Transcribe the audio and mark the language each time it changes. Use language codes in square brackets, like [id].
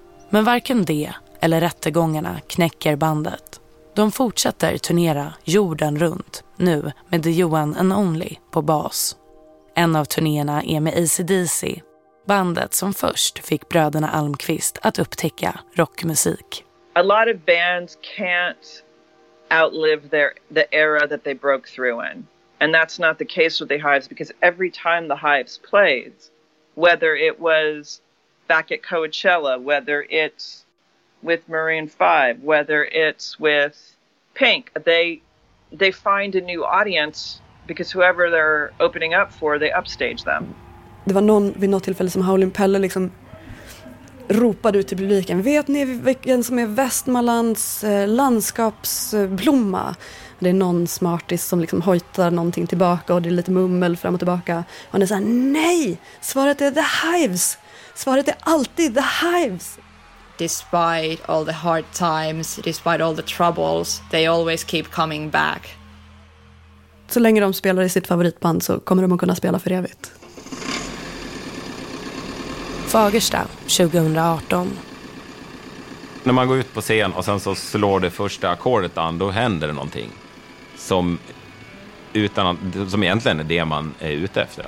[sv] Men varken det eller rättegångarna knäcker bandet. De fortsätter turnera jorden runt, nu med The Johan and Only på bas. En av turnéerna är med AC/DC, bandet som först fick bröderna Almqvist att upptäcka rockmusik. [en] A lot of bands can't outlive the era that they broke through in. And that's not the case with The Hives, because every time The Hives plays, whether it was back at Coachella, whether it's with Maroon 5, whether it's with Pink, they find a new audience, because whoever they're opening up for, they upstage them. [sv] Det var någon vid något tillfälle som Howlin' Pelle liksom ropade ut till publiken: vet ni vilken som är Västmanlands landskapsblomma? Det är någon smartis som liksom hojtar någonting tillbaka och det är lite mummel fram och tillbaka. Och han är så här: nej! Svaret är The Hives! Svaret är alltid The Hives! [en] despite all the hard times, despite all the troubles, they always keep coming back. [sv] Så länge de spelar i sitt favoritband så kommer de att kunna spela för evigt. Fagersta, 2018. När man går ut på scen och sen så slår det första ackordet an, då händer det någonting som utan att, som egentligen är det man är ute efter.